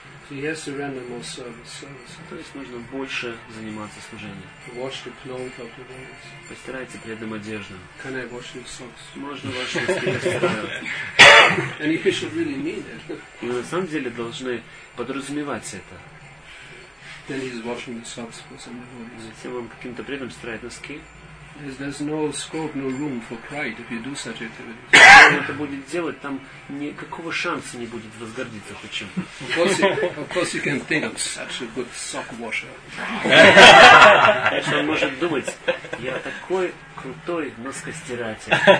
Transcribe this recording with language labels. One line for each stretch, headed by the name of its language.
English: So he has to render more service.
Russian: То есть нужно больше заниматься служением.
English: Wash the clothes of the devotees.
Russian: Постирайте преданным одежду.
English: Can I wash your socks?
Russian: Можно ваши носки постирать.
English: And you should really mean it.
Russian: И на самом деле должны подразумевать это.
English: Then he's washing the socks for some devotees.
Russian: Затем он каким-то преданным стирает носки.
English: There's no scope, no room for pride if you do such activities.
Russian: Если он это будет делать, там никакого шанса не будет возгордиться хоть чем.
English: Of course, you can think I'm such a good sock washer.
Russian: Конечно, он может думать, я такой крутой носкостиратель.